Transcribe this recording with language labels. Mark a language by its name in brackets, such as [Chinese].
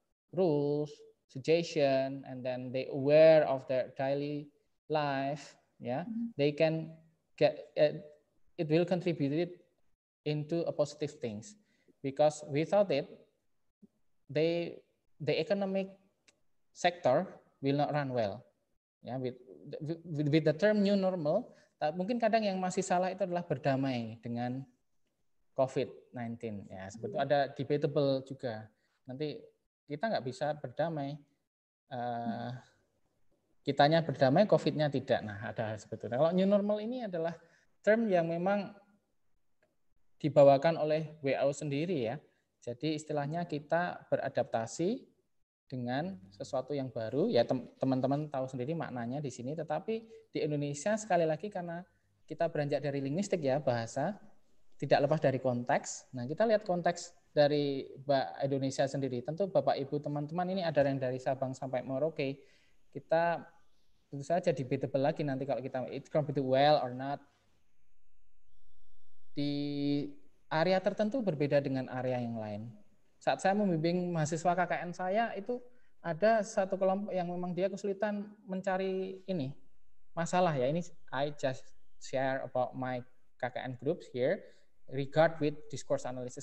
[English] rules, suggestion, and then they aware of their daily life, they can get, it will contribute it into a positive things because without it the economic sector will not run well with the term new normal. [Indonesian] Mungkin kadang yang masih salah itu adalah berdamai dengan COVID-19 ya, sebetulnya ada debatable juga, nanti kita nggak bisa berdamai, kitanya berdamai COVID-nya tidak. Nah ada sebetulnya kalau new normal ini adalah term yang memang dibawakan oleh WHO sendiri ya. Jadi istilahnya kita beradaptasi dengan sesuatu yang baru. Ya teman-teman tahu sendiri maknanya di sini. Tetapi di Indonesia sekali lagi karena kita beranjak dari linguistik ya bahasa, tidak lepas dari konteks. Nah kita lihat konteks dari Indonesia sendiri. Tentu Bapak, Ibu, teman-teman ini ada yang dari Sabang sampai Merauke. Kita tentu saja debatable lagi nanti kalau kita [English] it's going to be well or not. [Indonesian] Di area tertentu berbeda dengan area yang lain. Saat saya membimbing mahasiswa KKN saya, itu ada satu kelompok yang memang dia kesulitan mencari ini, masalah ya. Ini [English] I just share about my KKN groups here, regard with discourse analysis.